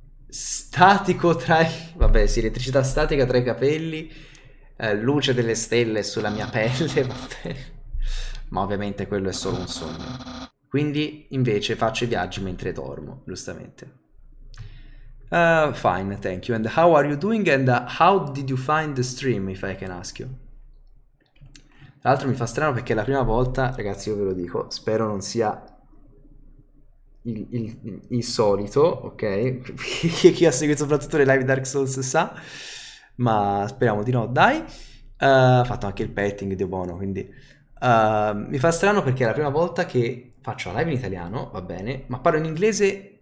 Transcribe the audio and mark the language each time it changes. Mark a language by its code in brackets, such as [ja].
[it] Statico tra i... Vabbè, sì, elettricità statica tra i capelli, luce delle stelle sulla mia pelle, vabbè. Ma ovviamente quello è solo un sogno. Quindi, invece, faccio i viaggi mentre dormo, giustamente. [en] Fine, thank you. And how are you doing? And how did you find the stream, if I can ask you? [it] Tra l'altro mi fa strano perché è la prima volta, ragazzi, io ve lo dico, spero non sia il solito, ok? Chi ha seguito soprattutto le live Dark Souls sa, ma speriamo di no, dai. Ho fatto anche il petting, Dio buono, quindi... mi fa strano perché è la prima volta che faccio la live in italiano, va bene, ma parlo in inglese...